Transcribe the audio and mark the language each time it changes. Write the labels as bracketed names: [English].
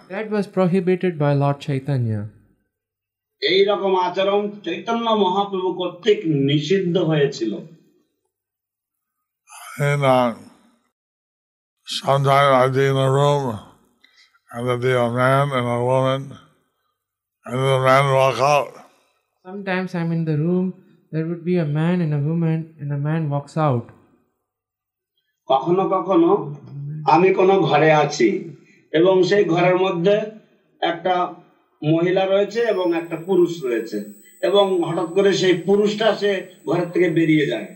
[English] That was prohibited by Lord Chaitanya. [Bangla] এই রকম আচরণ চৈতন্য মহাপ্রভু কর্তৃক নিষিদ্ধ হয়েছিল. [English] And sometimes I'd be in a room and there'd be a man and a woman, and then the man would walk out. Sometimes I'm in the room, there would be a man and a woman, and the man walks out. [Bangla] কখনো কখনো আমি কোনো ঘরে আছি এবং সেই ঘরের মধ্যে একটা মহিলা রয়েছে এবং একটা পুরুষ রয়েছে এবং হঠাৎ করে সেই পুরুষটা সে ঘর থেকে বেরিয়ে